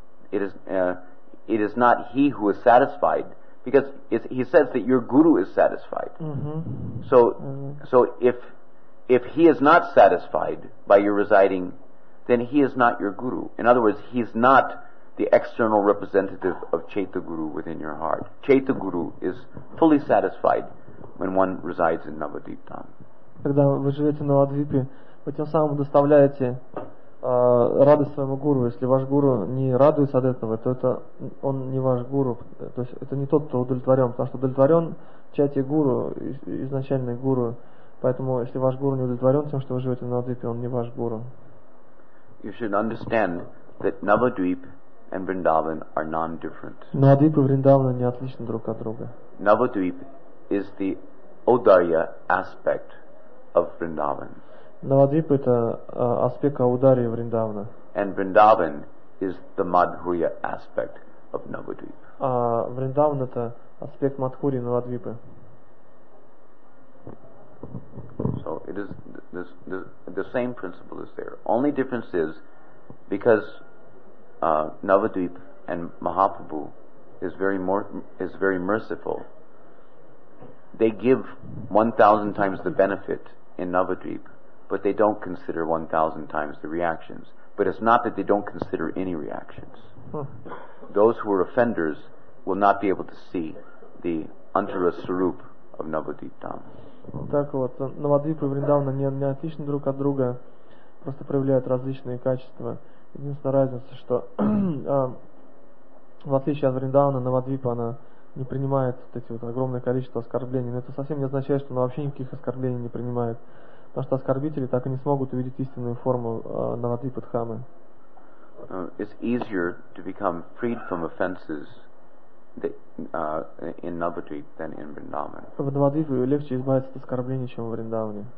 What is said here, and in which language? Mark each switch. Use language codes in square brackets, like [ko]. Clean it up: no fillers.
[en] It is not he who is satisfied. Because he says that your guru is satisfied. Mm-hmm. So if he is not satisfied by your residing, then he is not your guru. In other words, he is not the external representative of Chaita Guru within your heart. Chaita Guru is fully satisfied when one resides in Navadvip Dham. [ru] Когда вы живете на Навадвипе, вы тем самым доставляете радость своему гуру. Если ваш гуру не радуется от этого, то это он не ваш гуру. То есть это не тот, кто удовлетворен, потому что удовлетворен чати гуру, изначальный гуру. Поэтому если ваш гуру не удовлетворен тем, что вы живете на Навадвипе, он не ваш гуру. [en] You should understand that Navadvip and Vrindavan are non-different. [ru] Навадвип и Вриндаван не отличны друг от друга. [en] Navadvip is the Audarya aspect of Vrindavan. [ru] Навадвип это аспект аударии Вриндавана. [en] And Vrindavan is the Madhurya aspect of Navadvip. [ru] А Вриндаван это аспект Мадхури Навадвипы. [en] So it is the same principle is there. Only difference is because Navadvip and Mahaprabhu is very merciful. They give 1,000 times the benefit in Navadvip. But they don't consider 1,000 times the reactions. But it's not that they don't consider any reactions. Those who are offenders will not be able to see the antara sarup of Navadvip Dham. [ru] Так вот, Навадвип и Вриндаван не отличны друг от друга. просто проявляют различные качества. Единственная разница, что в отличие от Вриндауна, Навадвипа, она не принимает вот эти вот огромное количество оскорблений. Но это совсем не означает, что она вообще никаких оскорблений не принимает. Потому что оскорбители так и не смогут увидеть истинную форму Навадвипа-дхамы. [en] It's easier to become freed from offenses in Navadvip than in Vrindavan. [ru] В Навадвипе легче избавиться от оскорблений, чем в Вриндаване.